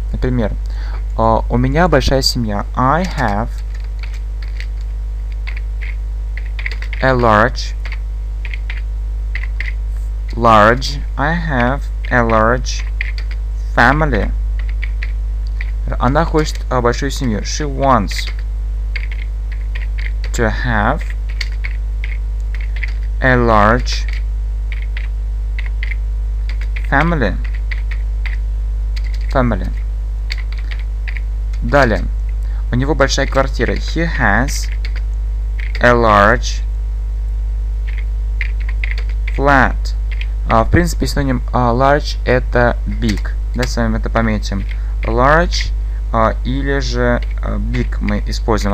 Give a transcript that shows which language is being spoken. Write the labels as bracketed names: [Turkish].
[Russian] Например, у меня большая семья. [English] I have a large. I have a large family. [Russian] Она хочет большую семью. [English] She wants to have a large family. Family. [Russian] Далее. У него большая квартира. [English] He has a large flat. [Russian] В принципе, синоним large – это big. Да, с вами это пометим. Large или же big мы используем.